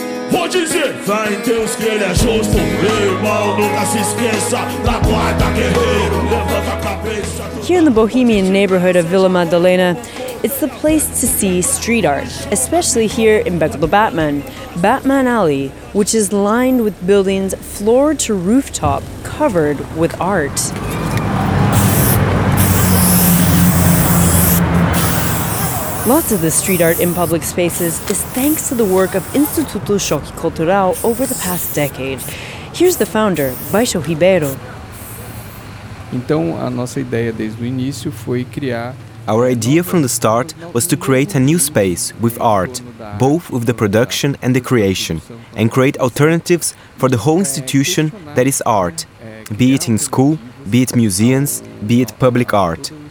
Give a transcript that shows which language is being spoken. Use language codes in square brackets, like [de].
[pt] Vou dizer, fé em Deus que ele é justo. Ei, irmão, nunca se esqueça da guarda guerreiro. Levanta a cabeça. [en] Here in the bohemian neighborhood of Vila Madalena, it's the place to see street art, especially here in Beco do Batman. Batman Alley, which is lined with buildings floor to rooftop covered with art. Lots of the street art in public spaces is thanks to the work of Instituto Choque Cultural over the past decade. Here's the founder, Baixo Ribeiro. [pt] Então, a nossa ideia desde o início foi criar... [en] Our idea from the start was to create a new space with art, both with the production and the creation, and create alternatives for the whole institution that is art, be it in school, be it museums, be it public art.